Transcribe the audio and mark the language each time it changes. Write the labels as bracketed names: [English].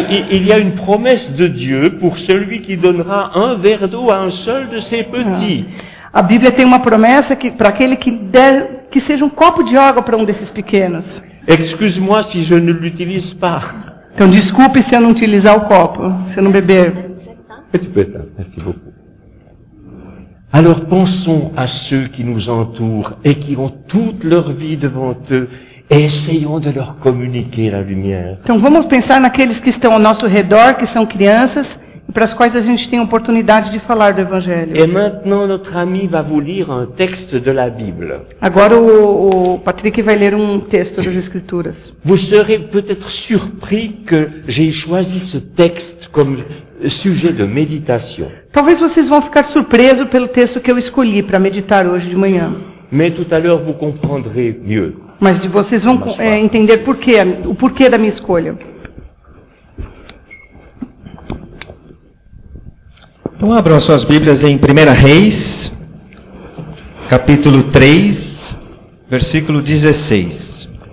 [French] Il y a une promesse de Dieu pour celui qui donnera un verre d'eau à un seul de ses petits. [Portuguese] A Bíblia tem uma promessa para aquele que der, que seja um copo de água para um desses pequenos. [French] Excuse-moi si je ne l'utilise pas. [Portuguese] Então desculpe se eu não utilizar o copo, se eu não beber. [French] Merci beaucoup. Alors pensons à ceux qui nous entourent et qui ont toute leur vie devant eux. Essayons de leur communiquer la lumière. [Portuguese] Então vamos pensar naqueles que estão ao nosso redor, que são crianças e para as quais a gente tem a oportunidade de falar do Evangelho. [French] Et maintenant notre ami va vous lire un texte de la Bible. [Portuguese] Agora o Patrick vai ler um texto das Escrituras. [French] Vous serez peut-être surpris que j'ai choisi ce texte comme sujet de méditation. [Portuguese] Talvez vocês vão ficar surpresos pelo texto que eu escolhi para meditar hoje de manhã. [French] Mais tout à l'heure vous comprendrez mieux. [Portuguese] Mas vocês vão entender o porquê da minha escolha. Então abram suas Bíblias em 1 Reis, capítulo 3, versículo 16.